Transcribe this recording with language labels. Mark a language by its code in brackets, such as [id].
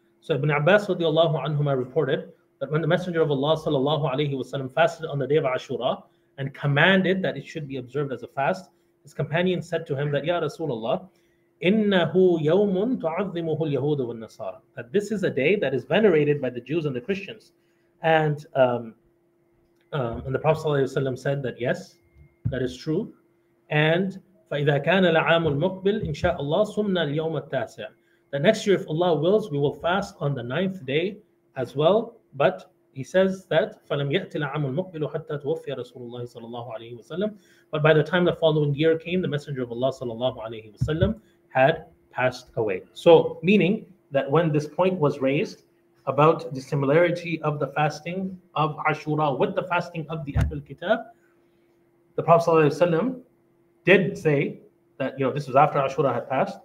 [en] So Ibn Abbas radiallahu anhuma reported that when the Messenger of Allah sallallahu alayhi wa sallam fasted on the day of Ashura and commanded that it should be observed as a fast, his companion said to him that, Ya Rasulullah, [ar] إِنَّهُ يَوْمٌ تُعَظِّمُهُ الْيَهُودُ وَالنَّصَارَى, [en] that this is a day that is venerated by the Jews and the Christians. And and the Prophet ﷺ said that yes, that is true. And [ar] فإذا كان العام المقبل إن شاء الله صمنا اليوم التاسع. [en] The next year, if Allah wills, we will fast on the ninth day as well. But he says that [ar] فَلَمْ يَأْتِ الْعَامُ الْمُقْبِلُ حَتَّى تُوَفِّيَ رَسُولُ اللَّهِ صَلَى اللَّهُ عَلَيْهِ وَسَلَّمُ. [en] But by the time the following year came, the Messenger of Allah صلى الله عليه وسلم had passed away. So meaning that when this point was raised about the similarity of the fasting of Ashura with the fasting of the Ahlul Kitab, the Prophet صلى الله عليه وسلم did say that, you know, this was after Ashura had passed.